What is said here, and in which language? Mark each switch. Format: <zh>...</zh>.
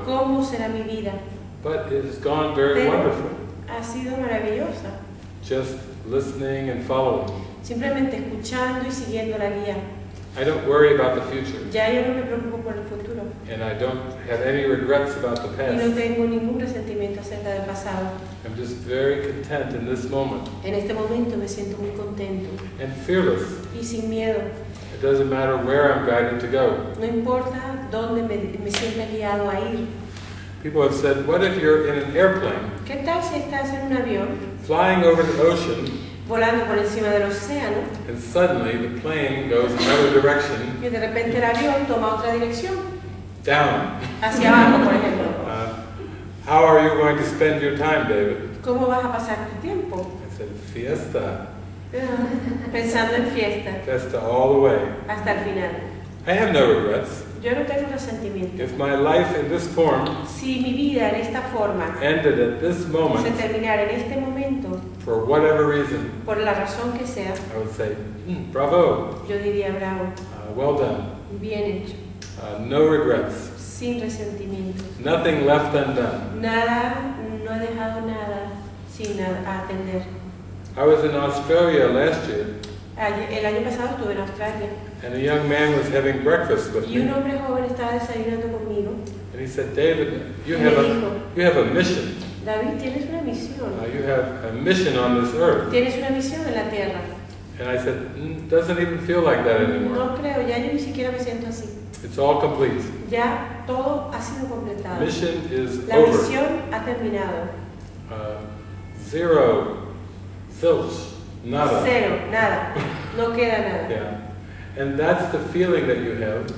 <es>¿Cómo será mi vida?</es> <en>But it has gone very</en> <es>Pero</es> <en>wonderful.</en> <es>Ha sido maravillosa.</es> <en>Just listening and following.</en> <es>Simplemente escuchando y siguiendo la guía.</es> <en>I don't worry about the future.</en> <es>Ya yo no me preocupo por el futuro.</es> <en>And I don't have any regrets about the past.</en> <es>Y no tengo ningún resentimiento acerca del pasado.</es> <en>I'm just very content in this moment.</en> <es>En este momento me siento muy contento.</es> <en>And fearless.</en> <es>Y sin miedo.</es> <en>It doesn't matter where I'm guided to go.</en> <es>No importa dónde me siento guiado a ir.</es> <en>People have said, what if you're in an airplane?</en> <es>¿Qué tal si estás en un avión?</es> <en>Flying over the ocean.</en> <es>Volando por encima del océano.</es> <en>And suddenly the plane goes another direction.</en> <es>Y de repente el avión toma otra dirección.</es> <en>Down.</en> <es>Hacia abajo, por ejemplo.</es> <en>How are you going to spend your time, David?</en> <es>¿Cómo vas a pasar tu tiempo?</es> <en>I said, fiesta.</en> <es>Pensando en fiesta.</es> <en>Fiesta all the way.</en> <es>Hasta el final.</es> <en>I have no regrets.</en> <es>Yo no tengo resentimiento.</es> <en>If my life in this form,</en> <es>si mi vida en esta forma,</es> <en>ended at this moment,</en> <es>se terminara en este momento,</es> <en>for whatever reason,</en> <es>por la razón que sea,</es> <en>I would say, bravo.</en> <es>Yo diría bravo.</es> <en>Well done.</en> <es>Bien hecho.</es> <en>No regrets.</en> <es>Sin resentimientos.</es> <en>Nothing left undone.</en> <es>Nada, no he dejado nada sin atender.</es> <en>I was in Australia last year.</en> <es>El año pasado estuve en Australia.</es> <en>And a young man was having breakfast with me.</en> <es>Y un hombre joven estaba desayunando conmigo.</es> <en>And he said, David, you have a mission.</en> <es>David, tienes una misión.</es> <en>You have a mission on this earth.</en> <es>Tienes una misión en la tierra.</es> <en>And I said, doesn't even feel like that anymore.</en> <es>No creo, ya yo ni siquiera me siento así.</es> <en>It's all complete.</en> <es>Ya todo ha sido completado.</es> <en>Mission is</en> <es>la</es> <en>over.</en> <es>La misión ha terminado.</es> <en>Zero. Zilch. Nada.</en> <es>Cero, nada. No queda nada.</es> <en>Yeah. And that's the feeling that you have.</en>